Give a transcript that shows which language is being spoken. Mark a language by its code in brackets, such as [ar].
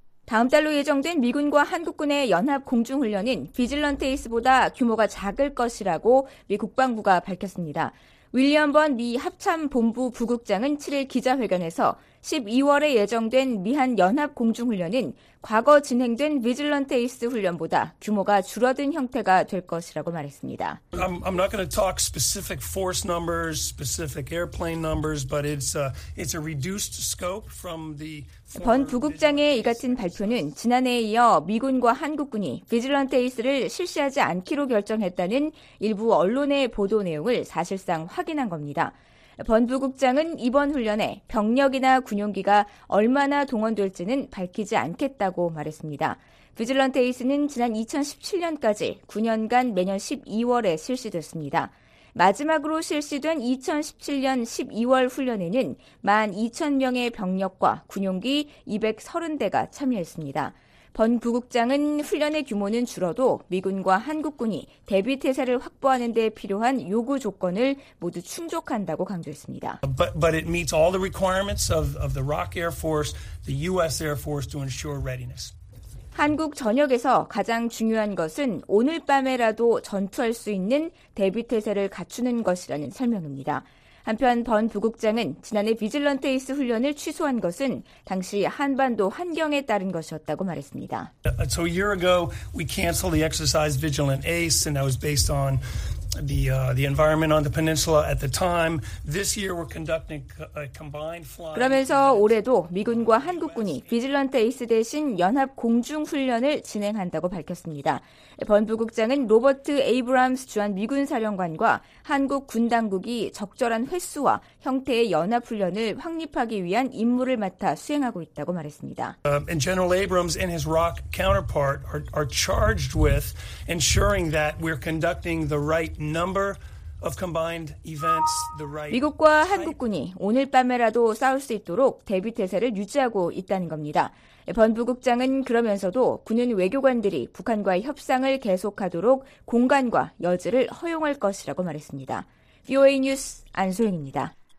[ko] 다음 달로 예정된 미군과 한국군의 연합 공중훈련인 비질런트 에이스보다 규모가 작을 것이라고 미 국방부가 밝혔습니다. 윌리엄 번 미 합참본부 부국장은 7일 기자회견에서 12월에 예정된 미한 연합 공중훈련인 과거 진행된 비질런트 에이스 훈련보다 규모가 줄어든 형태가 될 것이라고 말했습니다. [en] I'm not going to talk specific force numbers, specific airplane numbers, but it's a reduced scope from the [ko] 번 부국장의 이 같은 발표는 지난해에 이어 미군과 한국군이 비질런트 에이스를 실시하지 않기로 결정했다는 일부 언론의 보도 내용을 사실상 확인한 겁니다. 번 부국장은 이번 훈련에 병력이나 군용기가 얼마나 동원될지는 밝히지 않겠다고 말했습니다. 비질런트 에이스는 지난 2017년까지 9년간 매년 12월에 실시됐습니다. 마지막으로 실시된 2017년 12월 훈련에는 12,000명의 병력과 군용기 230대가 참여했습니다. 번 부국장은 훈련의 규모는 줄어도 미군과 한국군이 대비태세를 확보하는 데 필요한 요구 조건을 모두 충족한다고 강조했습니다. [en] But it meets all the requirements of the ROC Air Force, the U.S. Air Force to ensure readiness. [ko] 한국 전역에서 가장 중요한 것은 오늘 밤에라도 전투할 수 있는 대비태세를 갖추는 것이라는 설명입니다. 한편 번 부국장은 지난해 비질런트 에이스 훈련을 취소한 것은 당시 한반도 환경에 따른 것이었다고 말했습니다. [en] So a year ago we canceled the exercise Vigilant Ace and that was based on the environment on the peninsula at the time. This year we're conducting a combined flight. [ko] 그러면서 올해도 미군과 한국군이 비질런트 에이스 대신 연합 공중 훈련을 진행한다고 밝혔습니다. 번 부국장은 로버트 에이브람스 주한 미군 사령관과 한국 군 당국이 적절한 횟수와 형태의 연합 훈련을 확립하기 위한 임무를 맡아 수행하고 있다고 말했습니다. [en] And General Abrams and his ROC counterpart are charged with ensuring that we're conducting the right number of combined events. [ko] 미국과 한국군이 오늘 밤에라도 싸울 수 있도록 대비 태세를 유지하고 있다는 겁니다. 번 부국장은 그러면서도 군은 외교관들이 북한과의 협상을 계속하도록 공간과 여지를 허용할 것이라고 말했습니다. VOA 뉴스 안소영입니다.